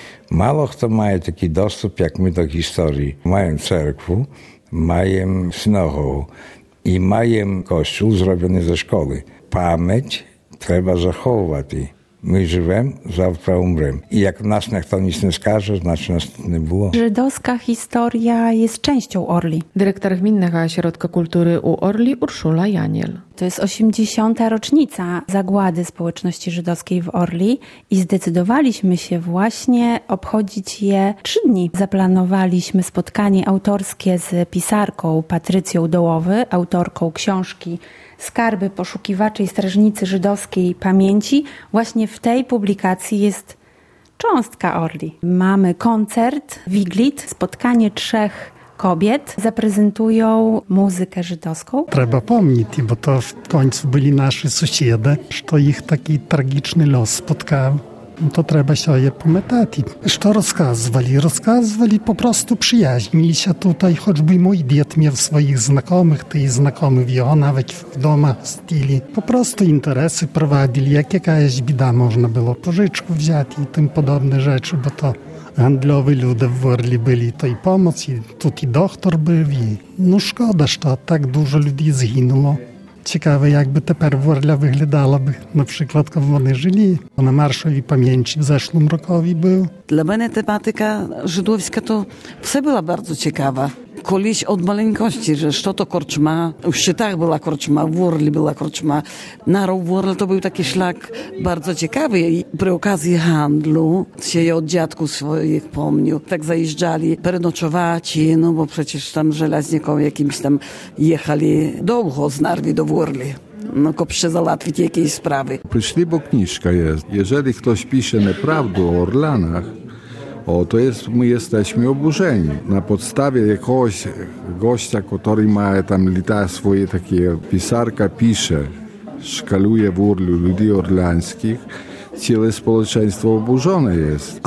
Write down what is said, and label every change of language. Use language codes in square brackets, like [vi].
[uk] Мало хто має такий доступ, як ми до історії. Маємо церкву, маємо синагогу і маємо костюм, зроблений зі школи. Пам'ять треба заховувати. Ми живемо, завтра умремо. І як нас ніхто ніч не скаже, значить нас не було. Жидовська історія є частиною Орлі. Директор гмінного осередка культури у Орлі Уршула Яніл. [pl] To jest 80. rocznica zagłady społeczności żydowskiej w Orli i zdecydowaliśmy się właśnie obchodzić je 3 dni. Zaplanowaliśmy spotkanie autorskie z pisarką Patrycją Dołowy, autorką książki Skarby Poszukiwaczej Strażnicy Żydowskiej Pamięci. Właśnie w tej publikacji jest cząstka Orli. Mamy koncert, wiglit, spotkanie 3 kobiet zaprezentują muzykę żydowską. Trzeba pamięć, bo to w końcu byli nasi sąsiedzi, że ich taki tragiczny los spotkał. To trzeba się je pamiętać. Co rozkazywali? Rozkazywali po prostu przyjaźnili się tutaj, choćby mój dziad miał swoich znakomych, tych znakomych i on nawet w domach stili. Po prostu interesy prowadzili, jak jakaś bida można było pożyczku wziąć i tym podobne rzeczy, bo to [uk] гандльові люди в Ворлі були, то й помоц, і тут і доктор був. І... Ну, шкода, що так дуже людей згинуло. Цікаво, як би тепер Ворля виглядала б, наприклад, коли вони жили. На маршові пам'ятні в зашлому рокові був. Для мене тематика жидовська, то все була дуже цікава. Колись від маленькості, що то корчма. У Щитах була корчма, в Ворлі була корчма. На Ров Ворлі то був такий шлак дуже цікавий. При оказі гандлю ще й від дядку своїх пам'ятав. Так заїжджали переночувати, ну, бо прочеш там железняком якимось там їхали довго з Нарві до Ворлі. [pl] No, ko przezałatwić jakieś sprawy. Przyszli, bo kniżka jest. Jeżeli ktoś pisze nieprawdę o Orlanach, o, to jest, my jesteśmy oburzeni. Na podstawie jakiegoś gościa, który ma tam lita swoje takie pisarka, pisze, szkaluje w Orlu ludzi orlańskich, całe społeczeństwo oburzone jest.